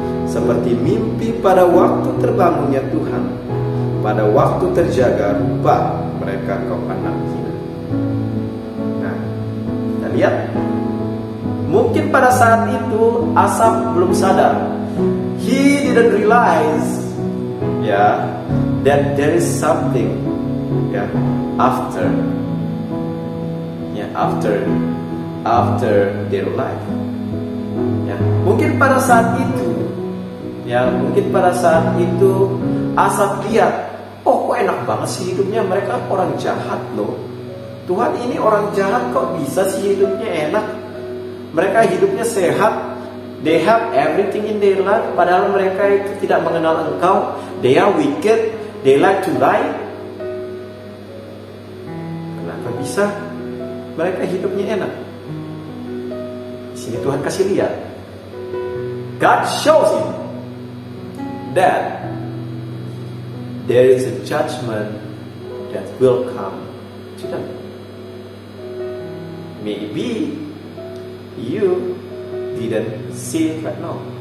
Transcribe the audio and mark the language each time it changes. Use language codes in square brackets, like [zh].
[id] Seperti mimpi pada waktu terbangunnya Tuhan, pada waktu terjaga rupa mereka kau pandang hina. Nah, kita lihat. Mungkin pada saat itu Asaf belum sadar. [en] He didn't realize, that there is something, after their life. [id] Mungkin pada saat itu, Asaf lihat, kok enak banget sih hidupnya, mereka orang jahat loh. Tuhan, ini orang jahat kok bisa sih hidupnya enak? Mereka hidupnya sehat, [en] they have everything in their life, [id] padahal mereka itu tidak mengenal engkau. [en] They are wicked, they like to lie. [id] Kenapa bisa mereka hidupnya enak? Di sini Tuhan kasih lihat. [en] God shows him that there is a judgment that will come to them. Maybe you didn't see it right now.